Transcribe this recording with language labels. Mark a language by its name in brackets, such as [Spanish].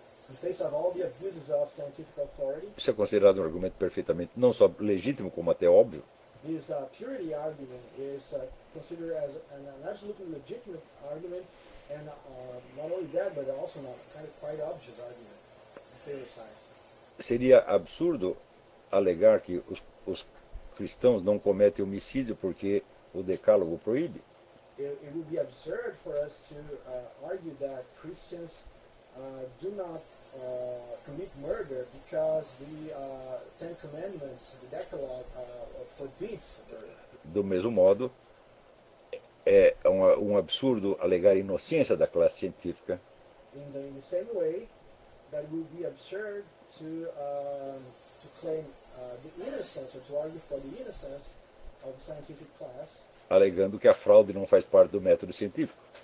[English] in face of all the abuses of scientific authority, [Portuguese] isso é considerado um argumento perfeitamente não só legítimo como até óbvio. [English] This purity argument is considered as an absolutely legitimate argument, and not only that, but also a kind of quite obvious argument in favor of science. [Portuguese] Seria absurdo alegar que os cristãos não cometem homicídio porque o Decálogo proíbe. [English] It would be absurd for us to argue that Christians do not commit murder because the Ten Commandments, the Decalogue, forbids murder. [Portuguese] Do mesmo modo, é um absurdo alegar inocência da classe científica. [English] In the same way, that it would be absurd to claim the innocence or to argue for the innocence of the scientific class. [Portuguese] Alegando que a fraude não faz parte do método científico.